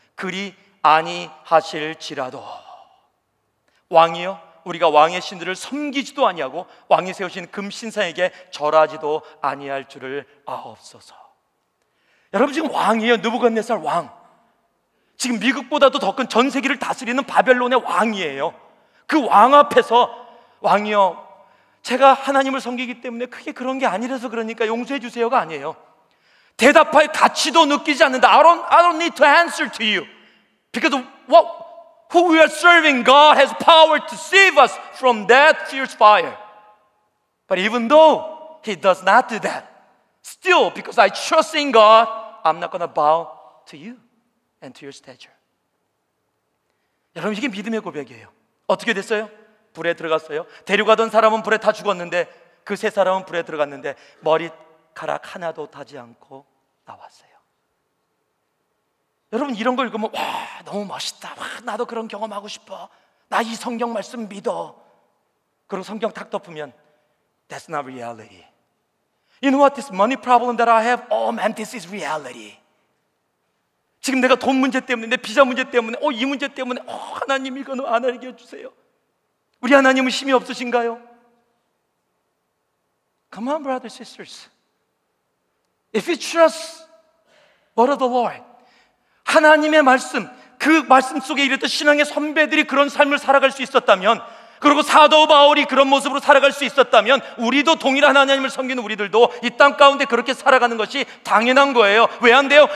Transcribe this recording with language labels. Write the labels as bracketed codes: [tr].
[ko] 그리 아니하실지라도 왕이여 우리가 왕의 신들을 섬기지도 아니하고 왕이 세우신 금신상에게 절하지도 아니할 줄을 아옵소서. 여러분 지금 왕이에요. 느부갓네살 왕. 지금 미국보다도 더 큰 전 세계를 다스리는 바벨론의 왕이에요. 그 왕 앞에서 왕이요 제가 하나님을 섬기기 때문에 크게 그런 게 아니라서 그러니까 용서해 주세요가 아니에요. 대답할 가치도 느끼지 않는다. [en] I don't need to answer to you because who we are serving God has power to save us from that fierce fire. But even though he does not do that, still because I trust in God, I'm not gonna bow to you and to your stature. [ko] 여러분 이게 믿음의 고백이에요. 어떻게 됐어요? 불에 들어갔어요. 데려가던 사람은 불에 다 죽었는데 그 세 사람은 불에 들어갔는데 머리카락 하나도 타지 않고 나왔어요. 여러분 이런 걸 읽으면 와 너무 멋있다. 와 나도 그런 경험하고 싶어. 나 이 성경 말씀 믿어. 그리고 성경 탁 덮으면 [en] That's not reality. You know what? This money problem that I have, oh man, this is reality. [ko] 지금 내가 돈 문제 때문에, 내 비자 문제 때문에, 이 문제 때문에, 하나님 이거는 안 알게 해주세요. 우리 하나님은 힘이 없으신가요? [en] Come on, brothers, sisters. If you trust what of the Lord, [ko] 하나님의 말씀, 그 말씀 속에 이랬던 신앙의 선배들이 그런 삶을 살아갈 수 있었다면, 그리고 사도 바울이 그런 모습으로 살아갈 수 있었다면 우리도 동일한 하나님을 섬기는 우리들도 이 땅 가운데 그렇게 살아가는 것이 당연한 거예요. 왜 안 돼요?